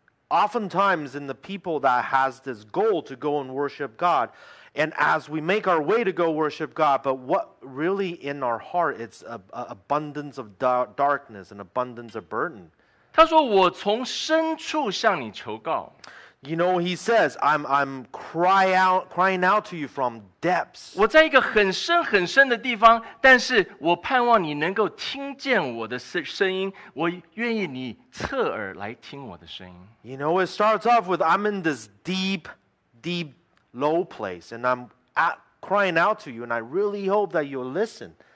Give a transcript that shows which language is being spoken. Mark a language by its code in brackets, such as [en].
[en] oftentimes in the people that has this goal to go and worship God, and as we make our way to go worship God, but what really in our heart, it's an abundance of darkness, an abundance of burden. [zh] 他说我从深处向你求告。 [en] You know, he says, I'm crying out to you from depths. [zh] 我在一个很深很深的地方，但是我盼望你能够听见我的声音，我愿意你侧耳来听我的声音。 [en] You know, it starts off with, I'm in this deep, deep, low place, and I'm crying out to you, and I really hope that you'll listen.